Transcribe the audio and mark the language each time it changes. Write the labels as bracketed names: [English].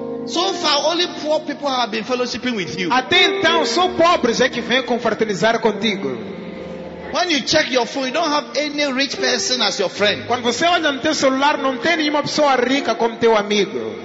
[English] So far, only poor people have been fellowshipping with you. [Portuguese] Até então, só pobres é que vêm confraternizar contigo. [English] When you check your phone, you don't have any rich person as your friend. [Portuguese] Quando você olha no teu celular, não tem nenhuma pessoa rica como teu amigo.